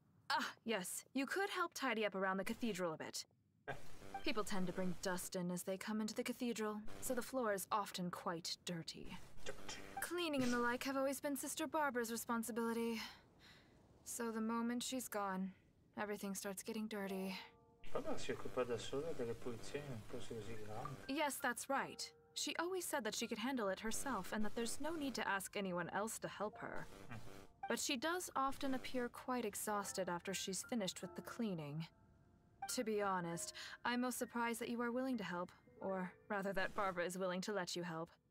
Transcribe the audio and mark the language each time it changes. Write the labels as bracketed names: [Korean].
[English] Ah, yes, you could help tidy up around the cathedral a bit. People tend to bring dust in as they come into the cathedral, so the floor is often quite dirty. Cleaning and the like have always been Sister Barbara's responsibility. So the moment she's gone, everything starts getting dirty. [Italian] Barbara si occupa da sola delle pulizie in un posto così grande. [English] Yes, that's right. She always said that she could handle it herself and that there's no need to ask anyone else to help her. But she does often appear quite exhausted after she's finished with the cleaning. To be honest, I'm most surprised that you are willing to help, or rather that Barbara is willing to let you help.